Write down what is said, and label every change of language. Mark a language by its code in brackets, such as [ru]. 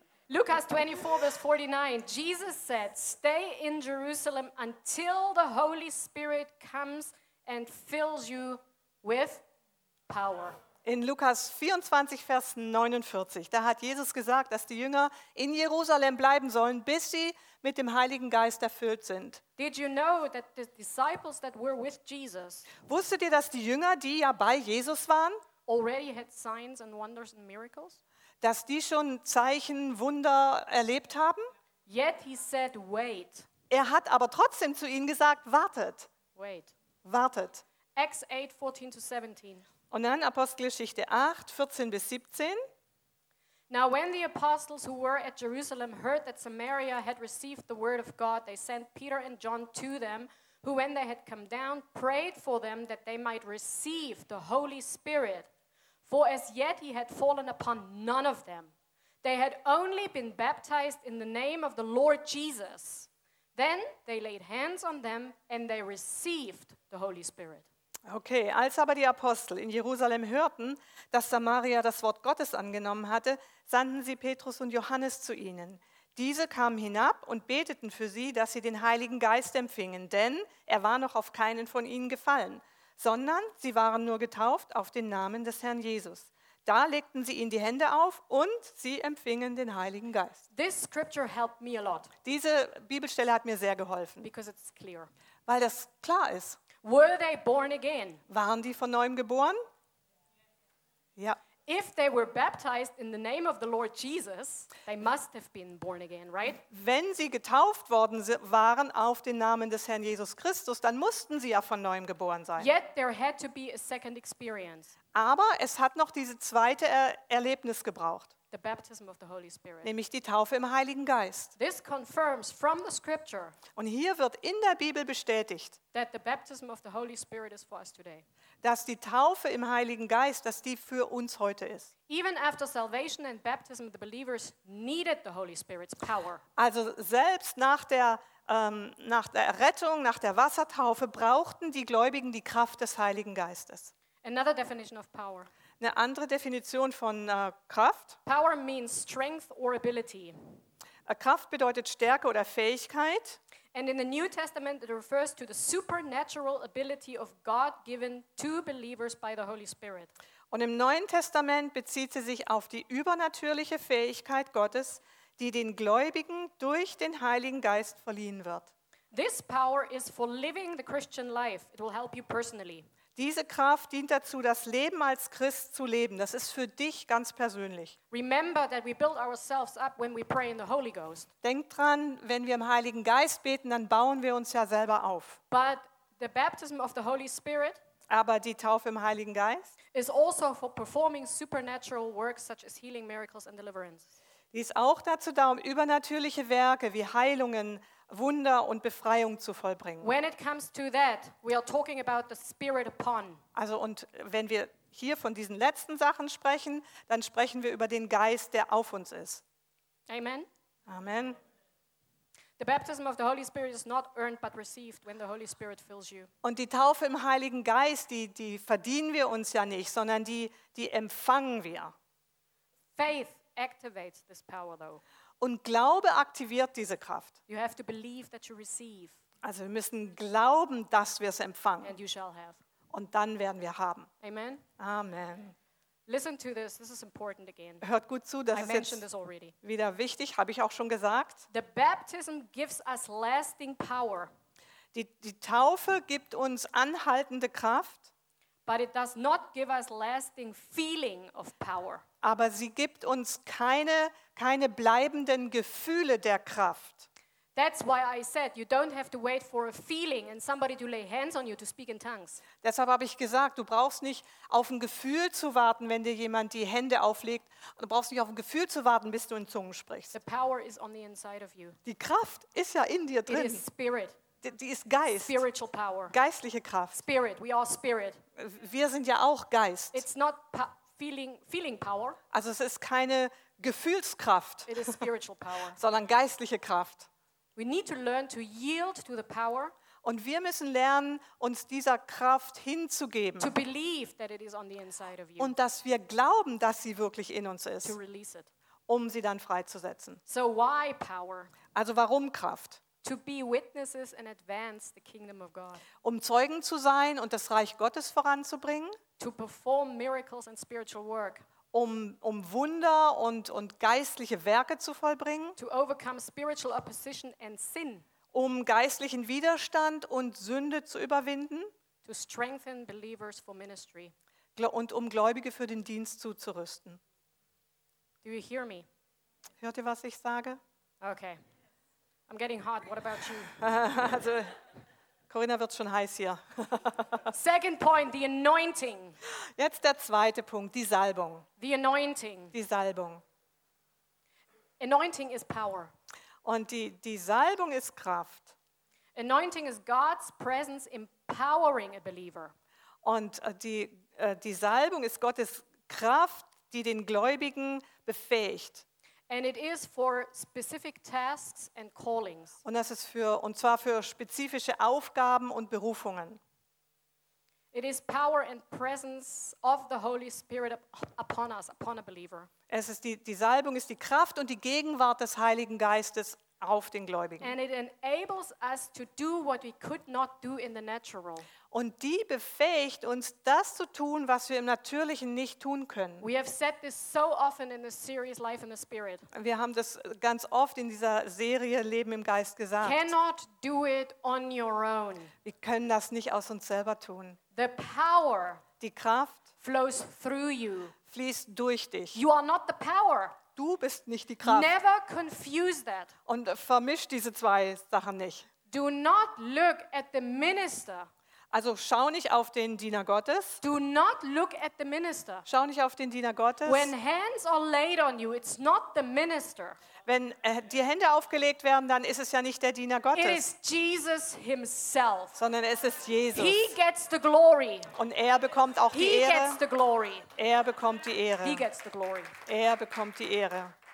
[en] Lukas 24, verse 49, Jesus said, stay in Jerusalem until the Holy Spirit comes and fills you with power. [de] In Lukas 24, Vers 49, da hat Jesus gesagt, dass die Jünger in Jerusalem bleiben sollen, bis sie mit dem Heiligen Geist erfüllt sind. [en] Did you know that the disciples that were with Jesus, [de] wusstet ihr, dass die Jünger, die ja bei Jesus waren, [en] already had signs and wonders and miracles? [de] Dass die schon Zeichen, Wunder erlebt haben. [en] Yet he said, wait. [de] Er hat aber trotzdem zu ihnen gesagt, wartet. [en] Wait. [de] Wartet. [en] Acts 8, 14 to 17. [de] Und dann Apostelgeschichte 8, 14 bis 17. [en] Now when the apostles who were at Jerusalem heard that Samaria had received the word of God, they sent Peter and John to them, who when they had come down, prayed for them that they might receive the Holy Spirit. For as yet he had fallen upon none of them. They had only been baptized in the name of the Lord Jesus. Then they laid hands on them and they received the Holy Spirit. [de] Okay, als aber die Apostel in Jerusalem hörten, dass Samaria das Wort Gottes angenommen hatte, sandten sie Petrus und Johannes zu ihnen. Diese kamen hinab und beteten für sie, dass sie den Heiligen Geist empfingen, denn er war noch auf keinen von ihnen gefallen, sondern sie waren nur getauft auf den Namen des Herrn Jesus. Da legten sie ihnen die Hände auf und sie empfingen den Heiligen Geist. [en] This scripture helped me a lot. [de] Diese Bibelstelle hat mir sehr geholfen, [en] because it's clear. [de] Weil das klar ist. [en] Were they born again? [de] Waren die von neuem geboren? Ja. [en] If they were baptized in the name of the Lord Jesus, they must have been born again, right? [de] Wenn sie getauft worden waren auf den Namen des Herrn Jesus Christus, dann mussten sie ja von neuem geboren sein. [en] Yet there had to be a second experience. [de] Aber es hat noch diese zweite Erlebnis gebraucht. [en] The baptism of the Holy Spirit. [de] Nämlich die Taufe im Heiligen Geist. [en] This confirms from the scripture. [de] Und hier wird in der Bibel bestätigt, [en] that the baptism of the Holy Spirit is for us today. [de] Dass die Taufe im Heiligen Geist, dass die für uns heute ist. [en] Even after salvation and baptism, the believers needed the Holy Spirit's power. [de] Also selbst nach der Errettung, nach der Wassertaufe brauchten die Gläubigen die Kraft des Heiligen Geistes. [en] Another definition of power. [de] Eine andere Definition von Kraft. [en] Power means strength or ability. [de] Kraft bedeutet Stärke oder Fähigkeit. [en] And in the New Testament it refers to the supernatural ability of God given to believers by the Holy Spirit. [de] Und im Neuen Testament bezieht sie sich auf die übernatürliche Fähigkeit Gottes, die den Gläubigen durch den Heiligen Geist verliehen wird. [en] This power is for living the Christian life. It will help you personally. [de] Diese Kraft dient dazu, das Leben als Christ zu leben. Das ist für dich ganz persönlich. [en] Remember that we build ourselves up when we pray in the Holy Ghost. [de] Denk dran, wenn wir im Heiligen Geist beten, dann bauen wir uns ja selber auf. [en] But the baptism of the Holy Spirit, [de] aber die Taufe im Heiligen Geist, [en] is also for performing supernatural works such as healing, miracles and deliverance. [de] Die ist auch dazu da, um übernatürliche Werke wie Heilungen, Wunder und Befreiung zu vollbringen. [en] When it comes to that, we are talking about the Spirit upon. [de] Also und wenn wir hier von diesen letzten Sachen sprechen, dann sprechen wir über den Geist, der auf uns ist. [en] Amen. [de] Amen. [en] The baptism of the Holy Spirit is not earned but received when the Holy Spirit fills you. [de] Und die Taufe im Heiligen Geist, die verdienen wir uns ja nicht, sondern die empfangen wir. [en] Faith activates this power though. [de] Und Glaube aktiviert diese Kraft. [en] You have to believe that you receive. [de] Also wir müssen glauben, dass wir es empfangen. [en] And you shall have. [de] Und dann werden wir haben. [en] Amen. [de] Amen. [en] Listen to this. This is important again. [de] Hört gut zu, das [en] I [de] ist [en] mentioned [de] jetzt [en] this already. [de] Wieder wichtig, habe ich auch schon gesagt. [en] The baptism gives us lasting power. [de] Die Taufe gibt uns anhaltende Kraft. [en] But it does not give us lasting feeling of power. [de] Aber sie gibt uns keine bleibenden Gefühle der Kraft. [en] That's why I said you don't have to wait for a feeling and somebody to lay hands on you to speak in tongues. [de] Deshalb habe ich gesagt, du brauchst nicht auf ein Gefühl zu warten, wenn dir jemand die Hände auflegt, und du brauchst nicht auf ein Gefühl zu warten, bis du in Zungen sprichst. [en] The power is on the inside of you. [de] Die Kraft ist ja in dir drin. [en] It is spirit. [de] Die ist Geist. [en] Spiritual power. [de] Geistliche Kraft. [en] Spirit, we are spirit. [de] Wir sind ja auch Geist. [en] It's not feeling power. [de] Also es ist keine Gefühlskraft. [en] It is spiritual power. [de] Sondern geistliche Kraft. [en] We need to learn to yield to the power. [de] Und wir müssen lernen, uns dieser Kraft hinzugeben. [en] To believe that it is on the inside of you. [de] Und dass wir glauben, dass sie wirklich in uns ist. [en] To release it. [de] Um sie dann freizusetzen. [en] So why power? [de] Also warum Kraft? [en] To be witnesses and advance the kingdom of God. [de] Um Zeugen zu sein und das Reich Gottes voranzubringen. [en] To perform miracles and spiritual work. [de] Um Wunder und geistliche Werke zu vollbringen. [en] To overcome spiritual opposition and sin. [de] Um geistlichen Widerstand und Sünde zu überwinden. [en] To strengthen believers for ministry. [de] Und um Gläubige für den Dienst zuzurüsten. [en] Do you hear me? [de] Hört ihr, was ich sage? [en] Okay. I'm getting hot. What about you? [de] Also, Corinna wird schon heiß hier. [en] Second point, the anointing. [de] Jetzt der zweite Punkt, die Salbung. [en] The anointing. [de] Die Salbung. [en] Anointing is power. [de] Und die Salbung ist Kraft. [en] Anointing is God's presence empowering a believer. [de] Und die Salbung ist Gottes Kraft, die den Gläubigen befähigt. [en] And it is for specific tasks and callings. [de] Und das ist für, und zwar für spezifische Aufgaben und Berufungen. [en] It is power and presence of the Holy Spirit upon us, upon a believer. [de] Es ist die, die Salbung ist die Kraft und die Gegenwart des Heiligen Geistes auf den Gläubigen. [en] And it enables us to do what we could not do in the natural. [de] Und die befähigt uns, das zu tun, was wir im Natürlichen nicht tun können. [en] We have said this so often in the series Life in the Spirit. [de] Wir haben das ganz oft in dieser Serie Leben im Geist gesagt. [en] Cannot do it on your own. [de] Wir können das nicht aus uns selber tun. [en] The power, [de] die Kraft, [en] flows through you. [de] Fließt durch dich. [en] You are not the power. [de] Du bist nicht die Kraft. [en] Never confuse that. [de] Und vermisch diese zwei Sachen nicht. [en] Do not look at the minister. [de] Also schau nicht auf den Diener Gottes. [en] Do not look at the minister. [de] Schau nicht auf den Diener Gottes. [en] When hands are laid on you, it's not the minister. [de] Wenn die Hände aufgelegt werden, dann ist es ja nicht der Diener Gottes. [en] It is Jesus himself. [de] Sondern es ist Jesus. [en] He gets the glory. [de] Und er bekommt auch [en] He [de] die Ehre. [en] Gets the glory. [de] Er bekommt die Ehre. [en] He gets the glory. [de] Er bekommt die Ehre.